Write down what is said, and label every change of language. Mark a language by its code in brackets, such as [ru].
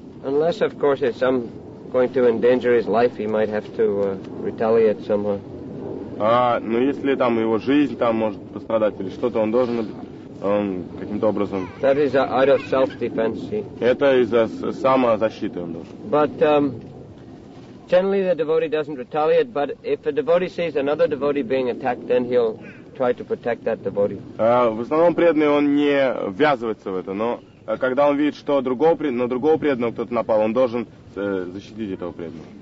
[en] Unless, of course, it's some going to endanger his life, he might have to retaliate somehow. [ru] Ну если там его жизнь там может пострадать или что-то, он должен каким-то образом... [en] That is out of self-defense. [ru] Это из-за самозащиты он должен. [en] But generally the devotee doesn't retaliate, but if a devotee sees another devotee being attacked, then he'll try to protect that devotee. [ru] В основном преданный он не ввязывается в это, но когда он видит, что на другого преданного кто-то напал, он должен защитить этого преданного.